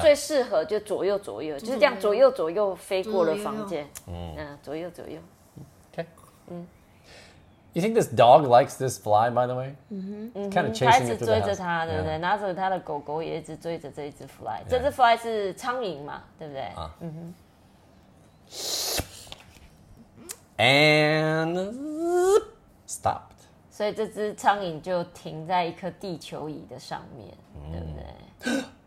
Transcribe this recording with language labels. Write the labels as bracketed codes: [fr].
[zh] 最适合就左右左右，就是这样左右左右飞过了房间。嗯，左右左右。 [en] Okay. You think this dog likes this fly, by the way? Kind of chasing it. [zh] 他一直追着他，对不对？拿着他的狗狗也一直追着这一只 fly。这只 fly 是苍蝇嘛，对不对？ [en] And stopped. [zh] 所以这只苍蝇就停在一颗地球仪的上面，对不对？